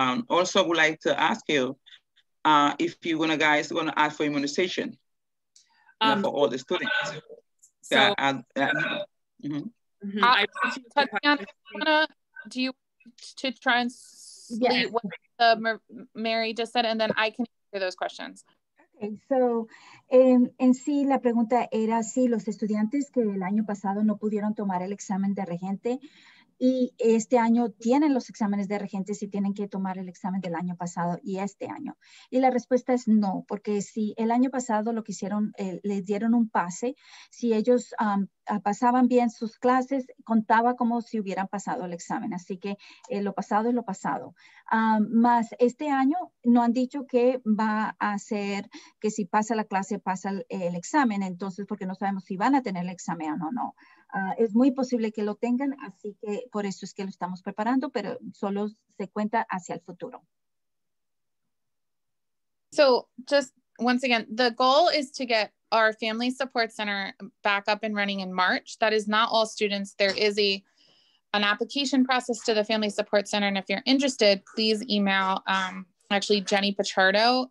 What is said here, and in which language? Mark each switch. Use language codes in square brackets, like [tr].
[en] Also, would like to ask you if you guys going to ask for immunization for all the students. Do you want to try and sleep? Yes. Mary just said, and then I can answer those questions. [es] Okay, so en sí la pregunta era si los estudiantes que el año pasado no pudieron tomar el examen de regente y este año tienen los exámenes de regente si tienen que tomar el examen del año pasado y este año. Y la respuesta es no, porque si el año pasado lo que hicieron, les dieron un pase, si ellos pasaban bien sus clases, contaba como si hubieran pasado el examen. Así que lo pasado es lo pasado. Más este año no han dicho que va a ser que si pasa la clase, pasa el examen. Entonces, porque no sabemos si van a tener el examen o no. Es muy posible que lo tengan, así que por eso es que lo estamos preparando, pero solo se cuenta hacia el futuro. [en] So, just once again, the goal is to get our Family Support Center back up and running in March. That is not all students. There is an application process to the Family Support Center, and if you're interested, please email actually Jenny Pichardo.